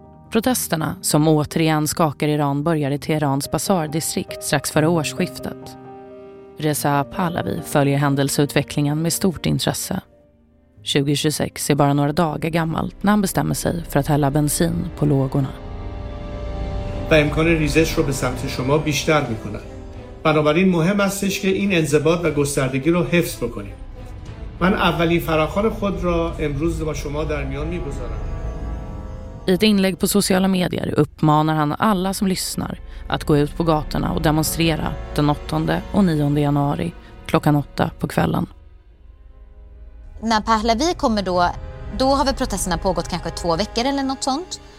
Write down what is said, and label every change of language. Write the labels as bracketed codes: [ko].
[sv] Protesterna som återigen skakar Iran börjar i Teherans basardistrikt strax före årsskiftet. Reza Pahlavi följer händelseutvecklingen med stort intresse. 2026 är bara några dagar gammalt när han bestämmer sig för att hälla bensin på lågorna. Och [fa] امکان ریزش رو به سمت شما بیشتر میکنه. بنابراین مهم استش که این انضباط و گستردگی رو حفظ بکنیم. من اولین فراخوان خود را امروز با شما در میان میگذارم. [sv] I ett inlägg på sociala medier uppmanar han alla som lyssnar att gå ut på gatorna och demonstrera den 8 och 9 januari klockan 8 på kvällen. När Pahlavi kommer då har väl protesterna pågått kanske 2 veckor eller något sånt.